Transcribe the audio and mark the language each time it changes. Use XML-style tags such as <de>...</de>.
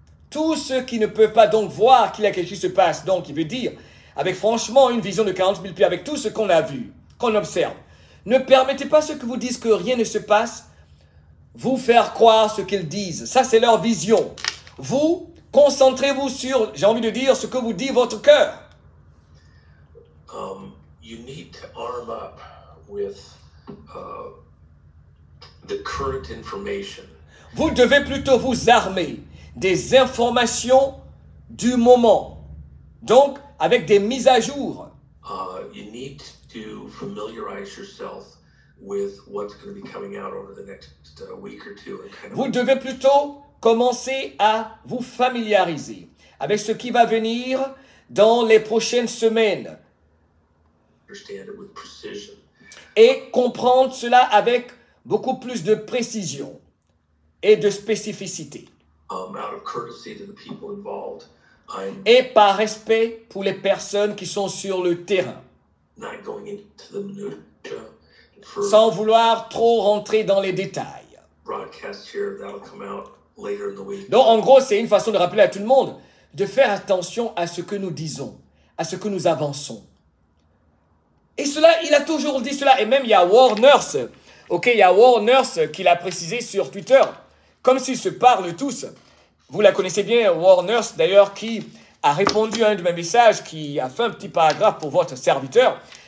<fr>Tous ceux qui ne peuvent pas donc voir qu'il y a quelque chose qui se passe, donc il veut dire, avec franchement une vision de 40 000 pieds, avec tout ce qu'on a vu, qu'on observe, ne permettez pas ceux qui vous disent que rien ne se passe, vous faire croire ce qu'ils disent. Ça, c'est leur vision. Vous, concentrez-vous sur, j'ai envie de dire, ce que vous dit votre cœur.</fr> <en>You need to arm up with the current information.</en> <fr>Vous devez plutôt vous armer des informations du moment. Donc, avec des mises à jour.</fr> <en>You need to familiarize yourself with what's going to be coming out over the next week or two.</en> <fr>Vous devez plutôt commencer à vous familiariser avec ce qui va venir dans les prochaines semaines.</fr> <en>Understand it with precision.</en> <fr>Et comprendre cela avec beaucoup plus de précision et de spécificité.</fr> <en>Out of courtesy to the people involved,</en> <fr>et par respect pour les personnes qui sont sur le terrain.</fr> <en>Not going into the minutia</en> <fr>sans vouloir trop rentrer dans les détails.</fr> <en>Broadcast here, that'll come out later in the week.</en> <fr>Donc en gros, c'est une façon de rappeler à tout le monde de faire attention à ce que nous disons, à ce que nous avançons. Et cela, il a toujours dit cela. Et même il y a Warners, ok, il y a Warners qui l'a précisé sur Twitter. Comme s'ils se parlent tous. Vous la connaissez bien, Warners, d'ailleurs, qui a répondu à un de mes messages, qui a fait un petit paragraphe pour votre serviteur.</fr>